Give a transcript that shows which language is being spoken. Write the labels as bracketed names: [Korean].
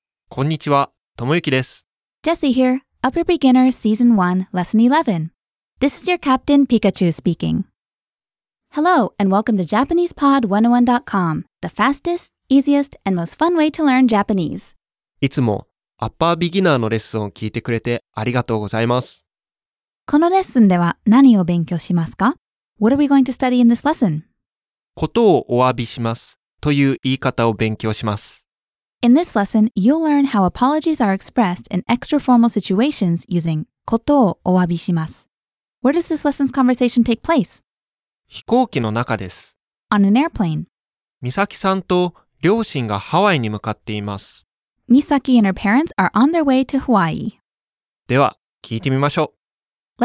[Japanese] こんにちは、ともゆきです。 [English] Jesse here, Upper Beginner Season 1, Lesson 11. This is your Captain Pikachu speaking. Hello, and welcome to JapanesePod101.com, the fastest, easiest, and most fun way to learn Japanese. [Japanese] いつも Upper Beginner のレッスンを聞いてくれてありがとうございます。このレッスンでは何を勉強しますか？ [English] What are we going to study in this lesson? [Japanese] ことをお詫びしますという言い方を勉強します。 [English] In this lesson, you'll learn how apologies are expressed in extra-formal situations using [Japanese] ことをお詫びします。 [English] Where does this lesson's conversation take place? [Japanese] 飛行機の中です。 [English] On an airplane. [Japanese] 美咲さんと両親がハワイに向かっています。 [English] Misaki and her parents are on their way to Hawaii. [Japanese] では、聞いてみましょう。